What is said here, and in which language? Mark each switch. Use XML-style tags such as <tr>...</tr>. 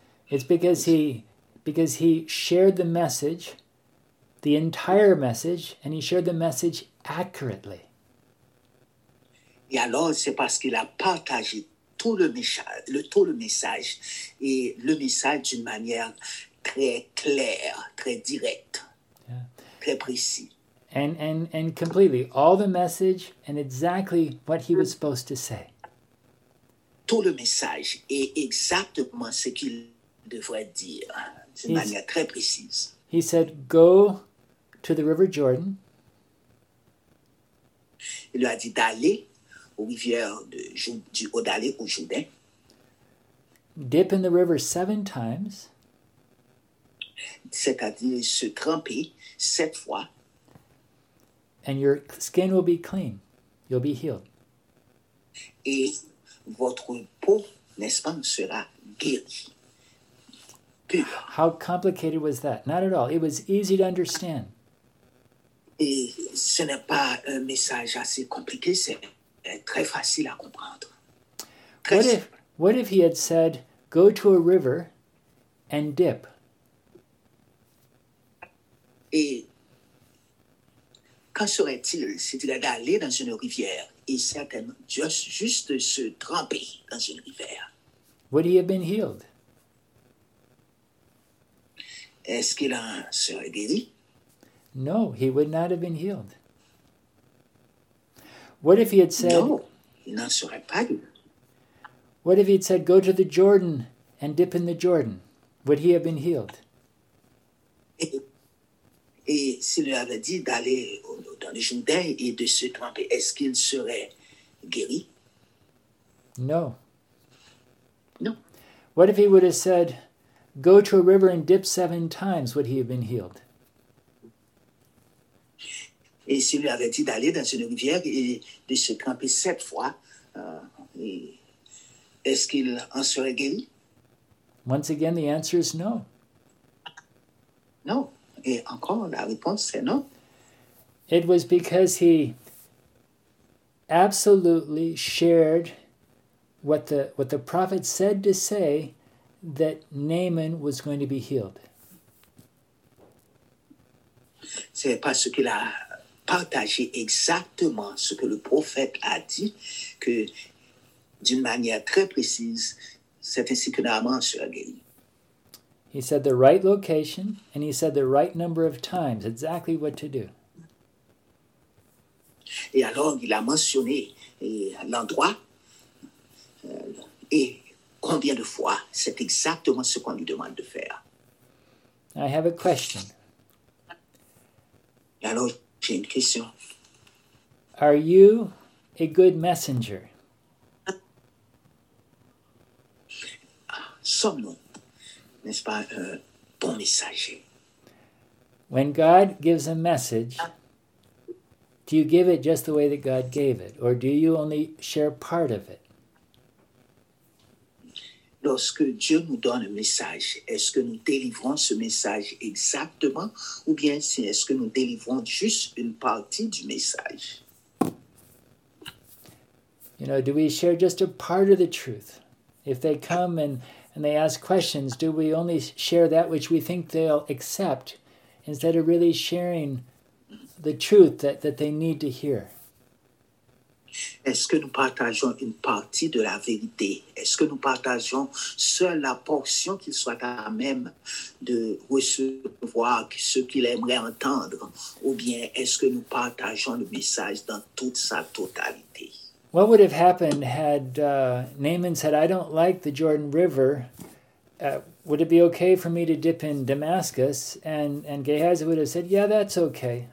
<en>It's because he shared the message, the entire message, and he shared the message accurately.</en> <fr>Et alors, c'est parce qu'il a partagé tout le message et le message d'une manière très claire, très directe, très précise.</fr> <en>And completely, all the message and exactly what he was supposed to say.</en> <fr>Tout le message et exactement ce qu'il devrait dire d'une manière très précise.</fr> <en>He said, "Go to the River Jordan."</en> <fr>Il lui a dit d'aller aux rivières d'aller au Jourdain.</fr> <en>Dip in the river 7 times.</en> <fr>C'est-à-dire se tremper 7 fois.</fr> <en>And your skin will be clean. You'll be healed.</en> <fr>Et votre peau, n'est-ce pas, sera guérie.</fr> <en>Pure. How complicated was that? Not at all. It was easy to understand.</en> <fr>Et ce n'est pas un message assez compliqué, c'est très facile à comprendre.</fr> <en>What</en> <fr>Très simple.</fr> <en>if he had said, "Go to a river and dip"?</en> <fr>Et qu'en serait-il s'il était allé dans une rivière et certainement juste se tremper dans une rivière?</fr> <en>Would he have been healed?</en> <fr>Est-ce qu'il en serait guéri?</fr> <en>No, he would not have been healed. What if he had said,</en> <fr>Non, il n'en serait pas.</fr> <en>what if he had said, "Go to the Jordan and dip in the Jordan"? Would he have been healed?</en> <fr>Et s'il lui avait dit d'aller dans le Jourdain et de se tremper, est-ce qu'il serait guéri?</fr> <en>No. What if he would have said, "Go to a river and dip 7 times"? Would he have been healed?</en> <fr>Et s'il lui avait dit d'aller dans une rivière et de se tremper 7 fois, est-ce qu'il en serait guéri?</fr> <en>Once again, the answer is no.</en> <fr>Non. Et encore, la réponse est non.</fr> <en>It was because he absolutely shared what the prophet said to say that Naaman was going to be healed.</en> <fr>C'est parce qu'il a partager exactement ce que le prophète a dit, que d'une manière très précise, c'est ainsi que Naaman sera guéri.</fr> <en>He said the right location and he said the right number of times, exactly what to do.</en> <fr>Et alors, il a mentionné l'endroit et combien de fois, c'est exactement ce qu'on lui demande de faire.</fr> <en>I have a question.</en> <fr>Et alors, j'ai une question.</fr> <en>Are you a good messenger?</en> <fr>Sommes-nous, n'est-ce pas, un bon messager?</fr> <en>When God gives a message, do you give it just the way that God gave it, or do you only share part of it?</en> <fr>Lorsque Dieu nous donne un message, est-ce que nous délivrons ce message exactement ou bien est-ce que nous délivrons juste une partie du message?</fr> <en>Do we share just a part of the truth? If they come And they ask questions. Do we only share that which we think they'll accept instead of really sharing the truth that they need to hear?</en> <fr>Est-ce que nous partageons une partie de la vérité? Est-ce que nous partageons seule la portion qu'il soit à même de recevoir ce qu'il aimerait entendre? Ou bien est-ce que nous partageons le message dans toute sa totalité?</fr> <en>What would have happened had Naaman said, I don't like the Jordan River. Would it be okay for me to dip in Damascus? And Gehazi would have said, yeah, that's okay.</en>